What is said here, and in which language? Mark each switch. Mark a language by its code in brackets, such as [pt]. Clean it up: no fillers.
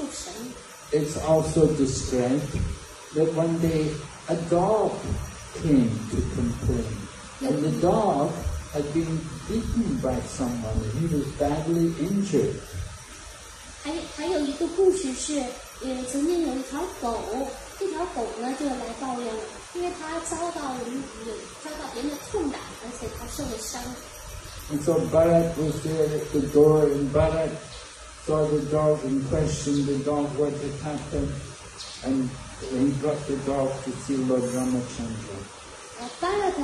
[en] also described that one day a dog came to complain, and the dog had been beaten by someone, and he was badly injured. [zh] 还有一个故事是，曾经有一条狗，这条狗呢就来抱怨了，因为它遭到别人的痛打，而且它受了伤。 [en] And so Bharat was there at the door, and Bharat saw the dog and questioned the dog what had happened, and he brought the dog to see Lord Ramachandra.